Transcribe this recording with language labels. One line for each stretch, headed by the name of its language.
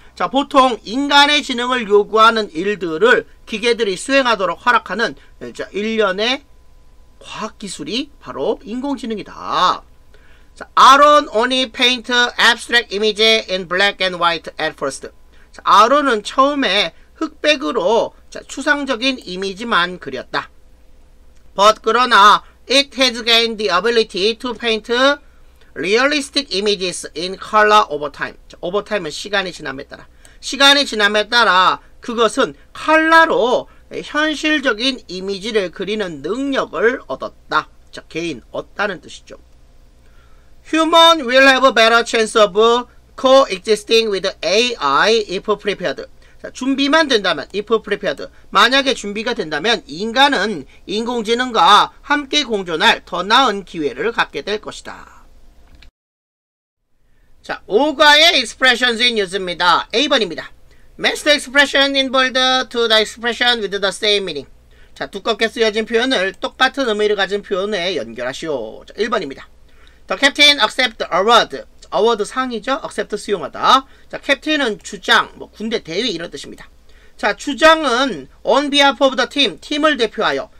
Korean: 자, 보통 인간의 지능을 요구하는 일들을 기계들이 수행하도록 허락하는 자, 일련의 과학기술이 바로 인공지능이다.
English: 자, Aaron only paint abstract image in black and white at first.
Korean: 자, Aaron은 처음에 흑백으로 자, 추상적인 이미지만 그렸다.
English: But
Korean: 그러나
English: it has gained the ability to paint realistic images in color over time.
Korean: 자, over time은 시간이 지남에 따라. 시간이 지남에 따라 그것은 컬러로 현실적인 이미지를 그리는 능력을 얻었다. 자, 개인 얻다는 뜻이죠.
English: Human will have a better chance of coexisting with AI if prepared.
Korean: 자, 준비만 된다면,
English: if prepared.
Korean: 만약에 준비가 된다면 인간은 인공지능과 함께 공존할 더 나은 기회를 갖게 될 것이다. 자, 5과의 expressions in use입니다. A번입니다.
English: Master expression involved to the expression with the same meaning.
Korean: 자, 두껍게 쓰여진 표현을 똑같은 의미를 가진 표현에 연결하시오. 자, 1번입니다.
English: The captain accept award. award 상이죠.
Korean: accept 수용하다. 자, captain은 주장, 뭐 군대 대위 이런 뜻입니다. 자, 주장은
English: on behalf of the team,
Korean: 팀을 대표하여.